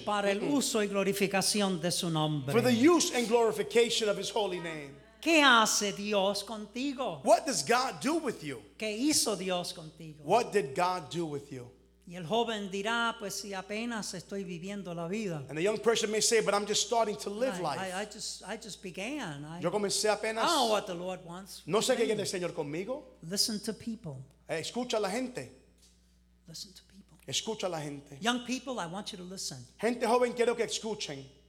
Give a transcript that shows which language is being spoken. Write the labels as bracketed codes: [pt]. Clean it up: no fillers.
[es] Para el uso y glorificación de su nombre. [en] For the use and glorification of his holy name. [es] ¿Qué hace Dios contigo? [en] What does God do with you? [es] ¿Qué hizo Dios contigo? [en] What did God do with you? [es] Y el joven dirá, pues si apenas estoy viviendo la vida. [en] And the young person may say, but I'm just starting to live life. I just began. [es] Yo comencé apenas. [en] I don't know what the Lord wants. [es] No sé qué quiere el Señor conmigo. [en] Listen to people. [es] Escucha a la gente. [en] Listen to people. [es] Escucha a la gente. [en] Young people, I want you to listen. [es] Gente joven, quiero que escuchen.